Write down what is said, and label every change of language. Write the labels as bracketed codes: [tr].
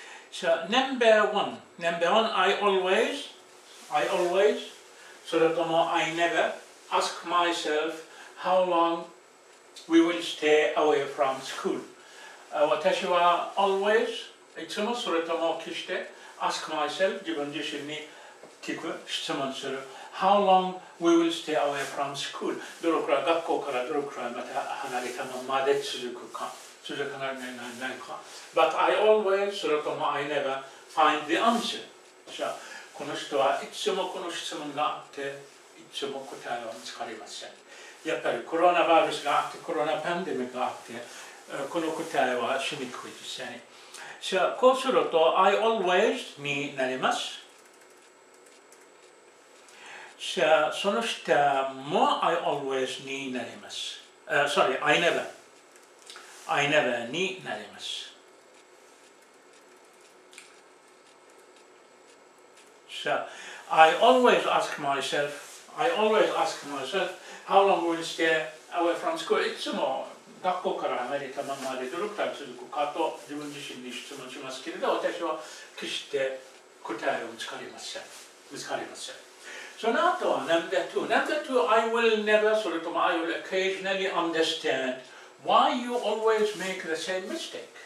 [en] So, number one, I always, [ja] それとも [en] I never ask myself how long we will stay away from school. [ja] 私は [en] always, [ja] いつもそれとも決して [en] ask myself, [ja] 自分自身に聞く質問する。 [en] How long we will stay away from school? [ja] どのくらい学校からどのくらいまた離れたままで続くか。 [en] But I always, [ja] それとも [en] I never find the answer. [ja] So, この人はいつもこの質問があって、いつも答えは見つかりません。やっぱりコロナバイルスがあって、コロナパンデミックがあって、この答えはしにくいですね。 So, こうすると、 [en] I always [ja] になります。 So, その下も [en] I always [ja] になります。 [en] I never。 I never [ja] になります。 [en] So, I always ask myself, how long will you stay away from school? [ja] いつも学校から離れたままでどれくらい続くかと自分自身に質問しますけれど、私は決して答えを見つかりません。その後は [en] Number two, I will never, [ja] それとも [en] I will occasionally understand why you always make the same mistake.